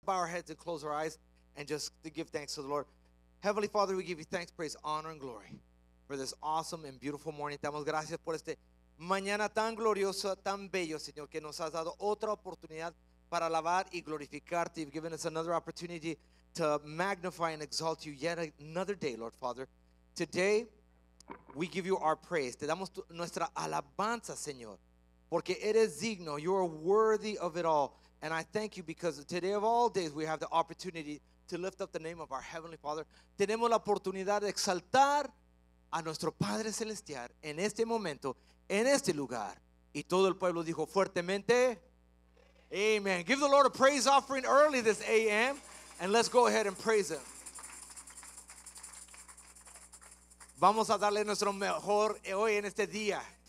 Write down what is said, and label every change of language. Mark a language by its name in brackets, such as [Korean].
[English] bow our heads and close our eyes and just to give thanks to the Lord. Heavenly Father, we give you thanks, praise, honor, and glory for this awesome and beautiful morning. [Spanish] Damos gracias por este mañana tan glorioso, tan bello, Señor, que nos has dado otra oportunidad para alabar y glorificarte. [English] You've given us another opportunity to magnify and exalt you yet another day, Lord Father. Today, we give you our praise. [Spanish] Te damos nuestra alabanza, Señor, porque eres digno. [English] You are worthy of it all. And I thank you because today of all days, we have the opportunity to lift up the name of our Heavenly Father. [Spanish] Tenemos la oportunidad de exaltar a nuestro Padre Celestial en este momento, en este lugar. Y todo el pueblo dijo fuertemente, amen. [English] Give the Lord a praise offering early this AM, and let's go ahead and praise Him. [Spanish] Vamos a darle nuestro mejor hoy en este día.